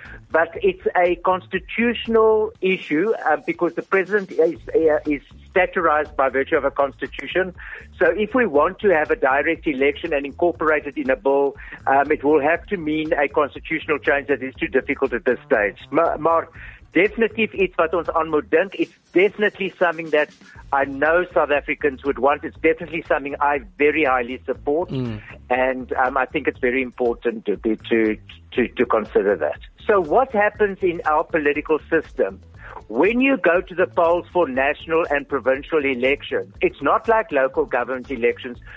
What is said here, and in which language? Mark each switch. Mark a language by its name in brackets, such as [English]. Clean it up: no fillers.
[English] But it's a constitutional issue because the president is statutorized by virtue of a constitution. So if we want to have a direct election and incorporate it in a bill, it will have to mean a constitutional change that is too difficult at this stage. [Afrikaans] Maar, definitely iets wat ons aan moet dink. [English] It's definitely something that I know South Africans would want. It's definitely something I very highly support. Mm. And I think it's very important to consider that. So what happens in our political system? When you go to the polls for national and provincial elections, it's not like local government elections.